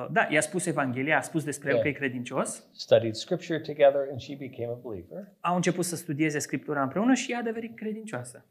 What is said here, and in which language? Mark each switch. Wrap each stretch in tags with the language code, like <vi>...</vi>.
<ro>I-a spus Evanghelia, a spus despre el că e credincios.</ro> <en>Studied scripture together and she became a believer.</en> <ro>Au început să studieze scriptura împreună și ea a devenit credincioasă.</ro>